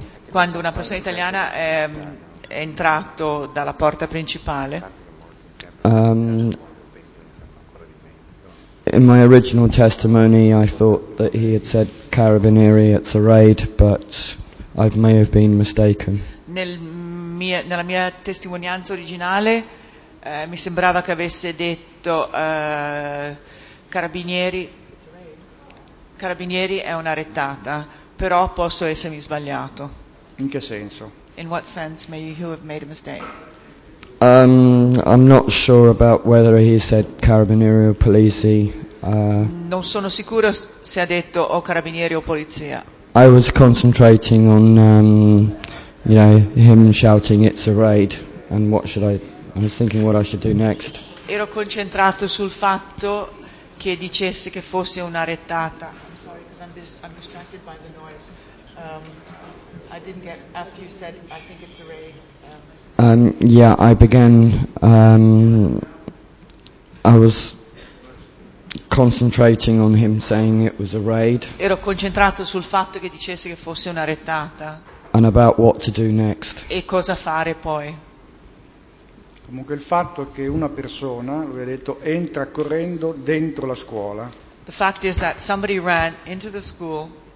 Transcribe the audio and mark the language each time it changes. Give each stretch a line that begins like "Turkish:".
Italian: Quando una persona italiana entrato dalla porta principale.
English: In my original testimony, I thought that he had said "Carabinieri, it's a raid," but I may have been mistaken.
Italian: Nella mia testimonianza originale mi sembrava che avesse detto "Carabinieri è una rettata," però posso essermi sbagliato. In che senso?
English: In what sense may you have made a mistake? I'm not sure about whether he said
Italian: "Carabinieri o polizi." Non sono sicuro se ha detto o carabinieri o polizia.
English: I was concentrating on him shouting "it's a raid," and I was thinking what I should do next.
Italian: Ero concentrato sul fatto che dicesse che fosse una rettata.
English: I'm distracted by the noise. I didn't get after you said I think it's a raid. I was concentrating on him saying it was a raid.
Italian: Ero concentrato sul fatto che dicesse che fosse una rettata.
English: And about what to do next.
Italian: E cosa fare poi? Comunque il fatto che una persona, lui ha detto, entra correndo dentro la scuola.
English: The fact is that somebody ran into the school.